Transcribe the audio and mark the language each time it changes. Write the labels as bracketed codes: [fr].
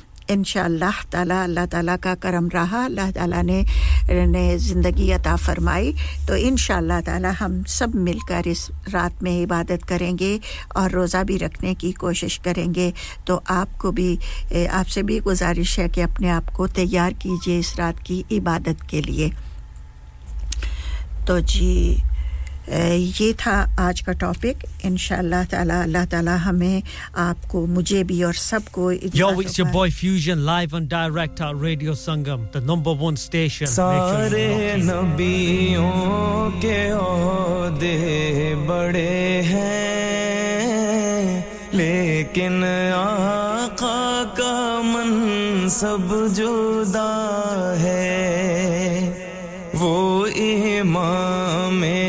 [hi] इंशाल्लाह ताला अल्लाह ताला का करम रहा अल्लाह ताला ने जिंदगी अता फरमाई तो इंशाल्लाह ताला हम सब मिलकर इस रात में इबादत करेंगे और रोजा भी रखने की कोशिश करेंगे तो आपको भी आपसे भी गुजारिश है कि अपने आप को तैयार कीजिए इस रात की इबादत के लिए तो जी ये था आज का टॉपिक इंशाल्लाह ताला अल्लाह ताला हमें आपको मुझे भी और सबको [en] Yo, it's your boy Fusion live and direct at Radio Sangam the number one station [hi] सारे नबियों के ओहदे बड़े हैं लेकिन आका का मनसब जुदा है वो इमाम